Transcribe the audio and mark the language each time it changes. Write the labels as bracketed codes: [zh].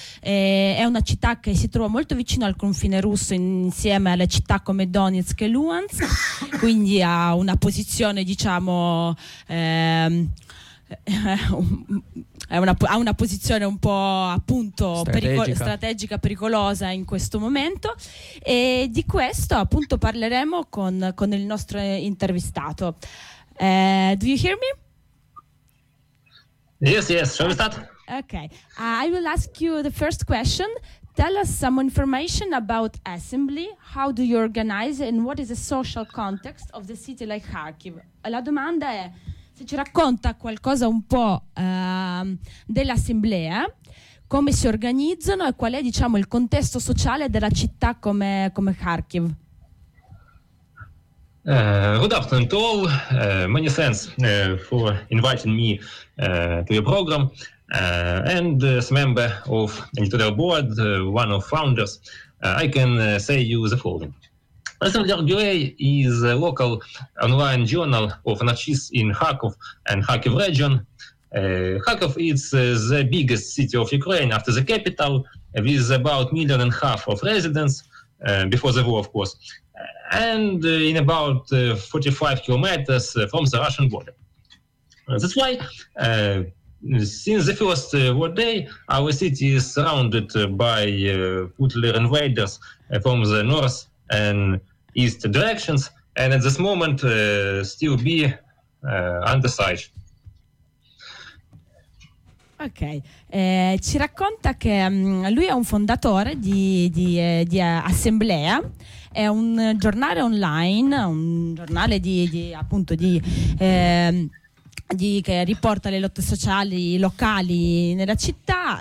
[it] È una città che si trova molto vicino al confine russo, insieme alle città come Donetsk e Luhansk, quindi ha una posizione, diciamo, ha una posizione un po', appunto, strategica, pericolosa in questo momento. E di questo, appunto, parleremo con il nostro intervistato. [en] Do you hear me? Yes, yes, shall we start? Okay, I will ask you the first question. Tell us some information about Assembly. How do you organize it, and what is the social context of the city like Kharkiv? [it] La domanda è se ci racconta qualcosa un po' dell'Assemblea, come si organizzano e qual è, diciamo, il contesto sociale della città come Kharkiv. [en] Good afternoon to all. Many thanks for inviting me to your program. And as a member of editorial board, one of founders, I can say you the following. Assembly Argyrei is a local online journal of anarchists in Kharkiv and Kharkiv region. Kharkiv is the biggest city of Ukraine after the capital, with about 1.5 million of residents, before the war, of course, and in about 45 kilometers from the Russian border. That's why, since the first war day, our city is surrounded by Putler invaders from the north and east directions, and at this moment still be under siege. [it] Ok, ci racconta che lui è un fondatore di Assemblea, è un giornale online, un giornale di che riporta le lotte sociali locali nella città.